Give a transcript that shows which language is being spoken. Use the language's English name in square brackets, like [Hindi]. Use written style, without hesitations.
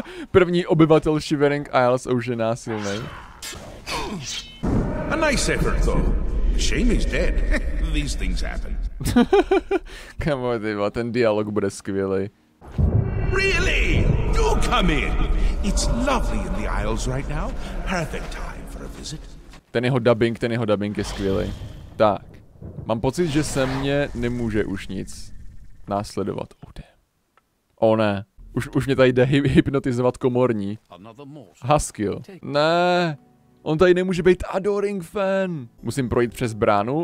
[Czech] První obyvatel Shivering Isles už je násilný. [English] A nice effort though. Shame he's dead. These things happen. Come on, [Czech] Diva, ten dialog bude skvělý. [English] Really? Do come in. It's lovely in the Isles right now. Perfect time for a visit. [Czech] Ten jeho dubbing je skvělý. Tak. Mám pocit, že se mě nemůže už nic následovat. [English] Oh, damn. [Czech] Oh, ne. Už mě tady jde hypnotizovat komorní. Haskell. Ne. On tady nemůže být adoring fan. Musím projít přes bránu.